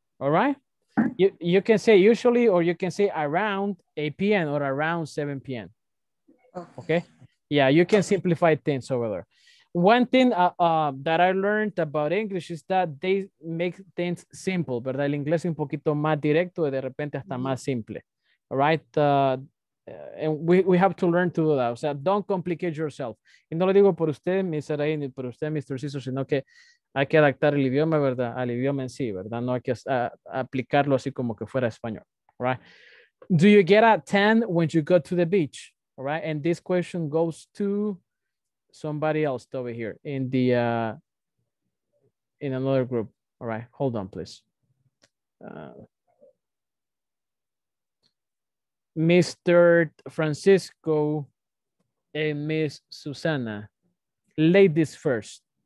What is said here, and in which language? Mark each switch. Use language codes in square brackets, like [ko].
[en] All right. You can say usually, or you can say around 8 p.m. or around 7 p.m. Okay. Yeah, you can simplify things over there. One thing that I learned about English is that they make things simple, ¿verdad? [es] El inglés es un poquito más directo y de repente hasta más simple. [en] All right. And we have to learn to do that. O sea, don't complicate yourself. [es] Y no lo digo por usted, Mr. Aini, por usted, Mr. Ciso, sino que hay que adaptar el idioma, ¿verdad? Al idioma en sí, ¿verdad? No hay que aplicarlo así como que fuera español, right? [en] Do you get a tan when you go to the beach? All right? And this question goes to somebody else over here in the in another group. All right? Hold on, please. Mr. Francisco and Miss Susana, ladies first.